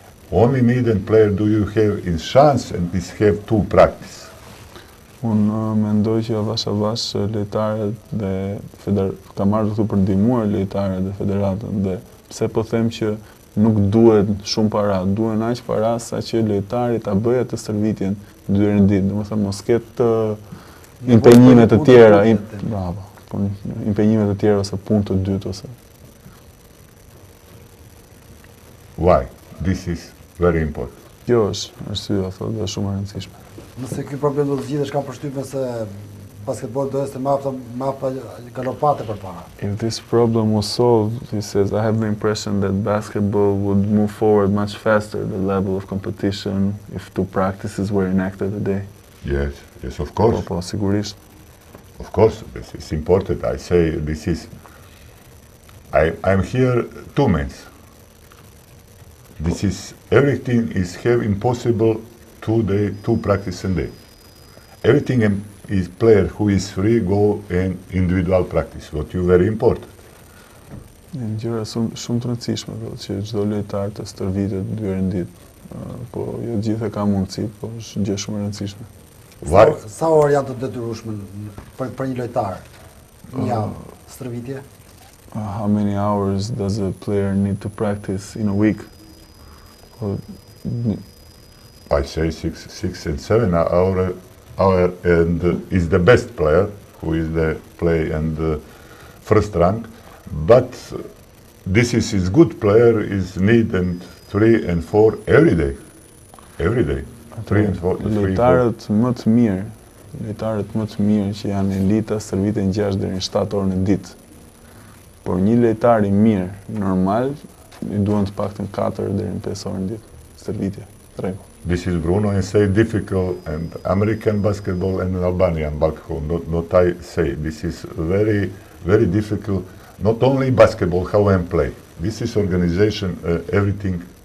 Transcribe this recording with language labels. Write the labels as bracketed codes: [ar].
[en] Only need and player do you have is chance and is have to practice. [sq] Unë mendoj që avash lojtarët dhe ka marrë këtu për ndihmuar lojtarët dhe federatën dhe pse po them që nuk duhet shumë para, duhet aq para sa që lojtarit ta bëjë atë stërvitjen dy herë në ditë, domethënë mos ketë impenjime të tjera, bravo. Impenjime të tjera ose punë të dytë ose. [en] Why? This is very important. [sq] Kjo është arsyeja, thotë, është shumë e rëndësishme. Nëse ky problem do të zgjidhesh, kam përshtypjen se basketbolli do të jetë më galopate përpara. [en] If this problem was solved, he says, I have the impression that basketball would move forward much faster the level of competition if two practices were enacted a day. Yes, of course. [sq] Po, sigurisht. [en] Of course, this is important. I say this is. I'm here 2 months. This is everything is have impossible 2 days, 2 practices a day. Everything is player who is free go and individual practice. What you very important. [sq] Një gjëra shumë të rëndësishme, do, që çdo lojtar të stërvitet dy herë në ditë. Po jo gjithë ka mundësi, po është gjë shumë e rëndësishme. Sa orë janë të detyrueshme për një lojtar? Një javë stërvitje? [en] How many hours does a player need to practice in a week? I say six and seven hour and is the best player who is the play and the first rank, but this is his good player is need and three and four every day. [sq] Lojtarët më të mirë, lojtarët më të mirë që janë elita stërviten 6 deri në 7 orë në ditë. Por një lojtar i mirë, normal, i duan të paktën 4 deri në 5 orë në ditë stërvitje. Treg. [en] This is Bruno and say difficult and American basketball and Albanian basketball. Not I say this is very very difficult. Not only basketball, how I play. This is organization, everything.